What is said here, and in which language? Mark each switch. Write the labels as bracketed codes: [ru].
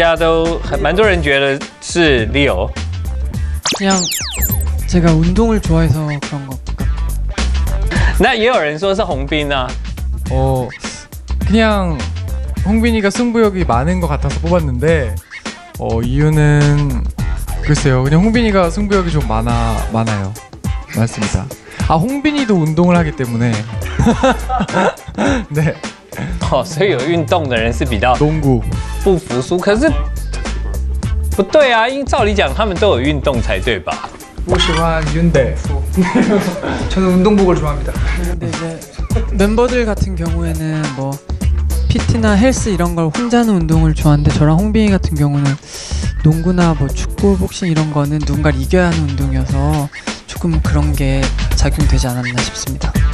[zh] 1,2,3.大家都很蛮多人觉得是 Leo. [ko] 그냥 제가 운동을 좋아해서 그런 것 같아요. [zh] 那也有人说是红斌呢。 [ko] 그냥 홍빈이가 승부욕이 많은 것 같아서 뽑았는데 이유는 글쎄요. 그냥 홍빈이가 승부욕이 좀 많아요. 맞습니다. 아 홍빈이도 운동을 하기 때문에 네. [zh] 所以有运动的人是比较不服输，可是不对啊，因照理讲他们都有运动才对吧？我喜欢运动服， [ko] 저는 운동복을 좋아합니다. 근데 이제 멤버들 같은 경우에는 뭐 PT나 헬스 이런 걸 혼자는 운동을 좋아하는데 저랑 홍빈이 같은 경우는 농구나 뭐 축구, 복싱 이런 거는 누군가 이겨야 하는 운동이어서 조금 그런 게 작용되지 않았나 싶습니다.